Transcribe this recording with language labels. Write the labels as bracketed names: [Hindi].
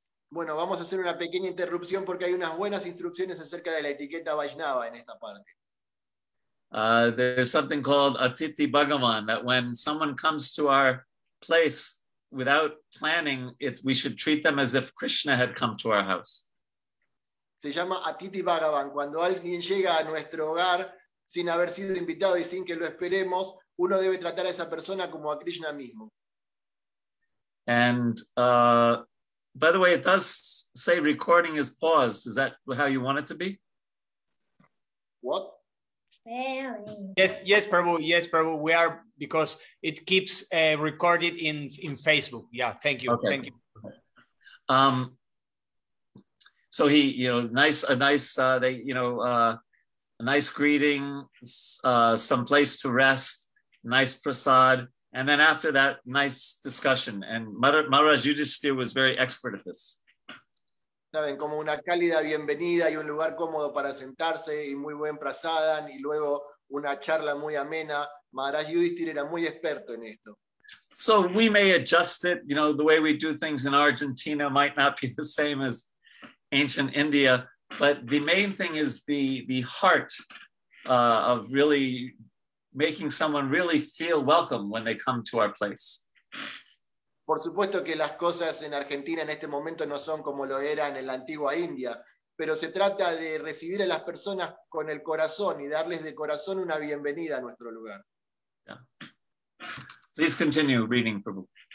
[Spanish] Bueno, vamos a hacer una pequeña interrupción porque hay unas buenas instrucciones acerca de la etiqueta Vaishnava en esta parte. [English] There's something called Atithi Bhagavan, that when someone comes to our place without planning it, we should treat them as if Krishna had come to our house. [Spanish] Se llama Atithi Bhagavan. Cuando alguien llega a nuestro hogar sin haber sido invitado y sin que lo esperemos, uno debe tratar a esa persona como a Krishna mismo. [English] And by the way, it does say recording is paused. Is that how you want it to be? What? Yes, yes, Prabhu. Yes, Prabhu. We are, because it keeps recorded in Facebook. Yeah, thank you. Okay. Thank you. So he, you know, a nice greeting, some place to rest, nice prasad. And then after that, nice discussion. And Maharaj Yudhisthira was very expert at this. [Spanish] Saben, como una cálida bienvenida y un lugar cómodo para sentarse y muy buen prasadan y luego una charla muy amena. Maharaj Yudhisthira era muy experto en esto. [English] So we may adjust it, you know, the way we do things in Argentina might not be the same as ancient India, but the main thing is the heart of really making someone really feel welcome when they come to our place. [Spanish] Por supuesto que las cosas en Argentina en este momento no son como lo eran en la antigua India, pero se trata de recibir a las personas con el corazón y darles de corazón una bienvenida a nuestro lugar. [English] Yeah. Please continue reading, Prabhu.